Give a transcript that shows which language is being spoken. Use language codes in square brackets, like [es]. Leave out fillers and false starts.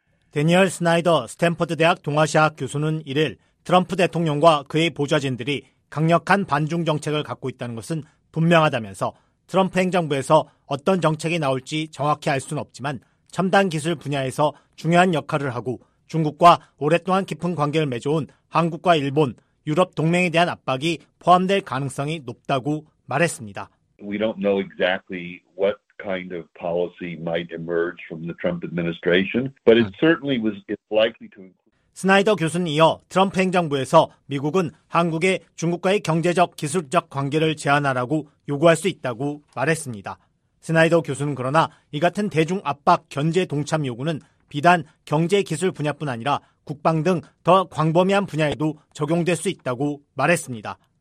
[ko] 대니얼 스나이더 스탠퍼드 대학 동아시아학 교수는 이를 트럼프 대통령과 그의 보좌진들이 강력한 반중 정책을 갖고 있다는 것은 분명하다면서 트럼프 행정부에서 어떤 정책이 나올지 정확히 알 수는 없지만 첨단 기술 분야에서 중요한 역할을 하고 중국과 오랫동안 깊은 관계를 맺어온 한국과 일본, 유럽 동맹에 대한 압박이 포함될 가능성이 높다고 말했습니다. [en] We don't know exactly what kind of policy might emerge from the Trump administration, but it certainly was likely to include. [ko] 스나이더 교수는 이어 트럼프 행정부에서 미국은 한국의 중국과의 경제적, 기술적 관계를 제한하라고 요구할 수 있다고 말했습니다. 스나이더 교수는 그러나 이 같은 대중 압박 견제 동참 요구는 비단 경제 기술 분야뿐 아니라 국방 등 더 광범위한 분야에도 적용될 수 있다고 말했습니다.